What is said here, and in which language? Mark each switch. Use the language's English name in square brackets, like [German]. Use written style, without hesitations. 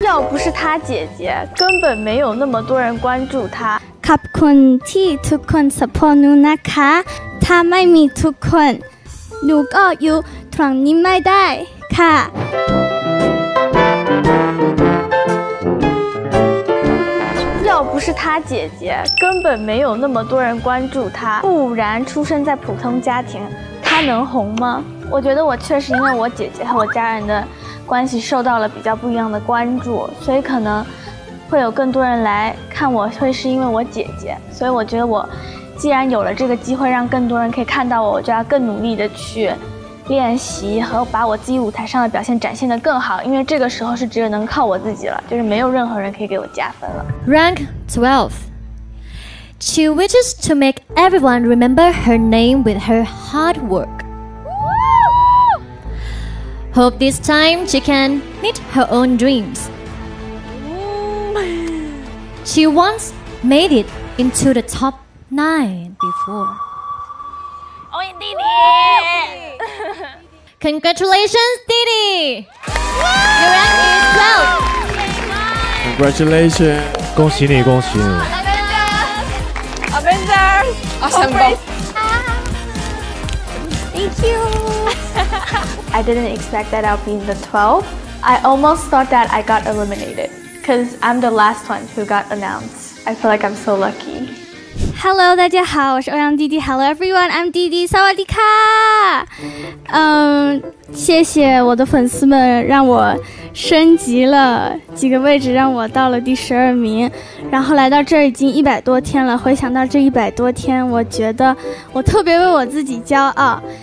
[Chinese] 要不是她姐姐，根本没有那么多人关注她。 [Thai] ขอบคุณที่ทุกคนสปอร์ตหนูนะคะถ้าไม่มีทุกคนหนูก็อยู่ตรงนี้ไม่ได้ค่ะ [Chinese] 要不是她姐姐，根本没有那么多人关注她。不然出生在普通家庭，她能红吗？我觉得我确实因为我姐姐和我家人的关系受到了比较不一样的关注，所以可能会有更多人来看我，会是因为我姐姐。所以我觉得我既然有了这个机会让更多人可以看到我，我就要更努力的去练习和把我自己舞台上的表现展现得更好，因为这个时候是只有能靠我自己了，就是没有任何人可以给我加分了。 [English] Rank 12 She wishes to make everyone remember her name with her hard work. Hope this time she can meet her own dreams. She once made it into the top 9 before. Oh, indeed! Congratulations, Didi! Your rank is 12. Congratulations! [Chinese] 恭喜你，恭喜你 [English] ！Avenger, Avenger, Avenger! Thank you. I didn't expect that I'll be in the 12. I almost thought that I got eliminated because I'm the last one who got announced. I feel like I'm so lucky. Hello, [Chinese] 大家好，我是欧阳弟弟。 [English] Hello, everyone, I'm [Chinese] 弟弟，萨瓦迪卡。谢谢我的粉丝们让我升级了几个位置，让我到了第12名。然后来到这儿已经100多天了，回想到这100多天，我觉得我特别为我自己骄傲。